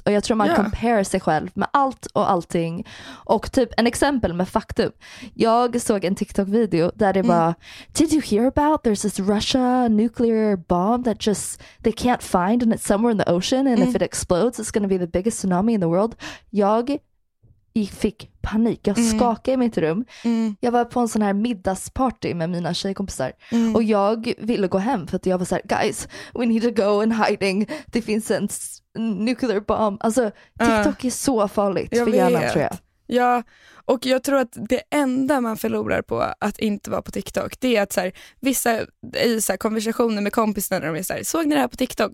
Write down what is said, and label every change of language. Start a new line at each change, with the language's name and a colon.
Swedish: Och jag tror man compare sig själv med allt och allting. Och typ en exempel med faktum. Jag såg en TikTok-video där det var
English: "Did you hear about there's this Russia nuclear bomb that just they can't find and it's somewhere in the ocean and if it explodes it's gonna be the biggest tsunami in the world."
Swedish: Jag fick panik. Jag skakade i mitt rum. Mm. Jag var på en sån här middagsparty med mina tjejkompisar. Mm. Och jag ville gå hem för att jag var så här:
English: "Guys, we need to go in hiding.
Swedish: Det finns en nuclear bomb." Alltså, TikTok är så farligt för hjärnan, tror jag. Ja, och jag tror att det enda man förlorar på att inte vara på TikTok, det är att så här, vissa i så här, konversationer med kompisarna, de är så här, "Såg ni det här på TikTok?"